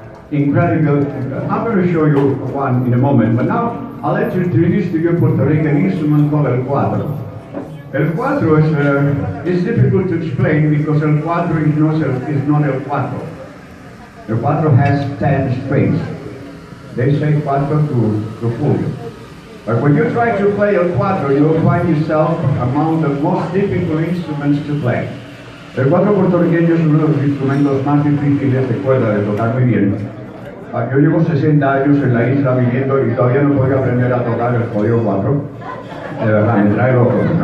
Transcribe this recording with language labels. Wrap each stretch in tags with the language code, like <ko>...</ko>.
<en>I'm going to show you one in a moment, but now I'll let you introduce to you a Puerto Rican instrument called el cuatro. El cuatro is difficult to explain because el cuatro is not el cuatro. El cuatro has 10 strings. They say cuatro to fool you. But when you try to play el cuatro, you'll find yourself among the most difficult instruments to play.</en> <es>El cuatro puertorriqueño es uno de los instrumentos más difíciles de cuerda de tocar muy bien. Yo llevo 60 años en la isla viviendo y todavía no podía aprender a tocar el jodido cuatro. De verdad, me trae loco.</es>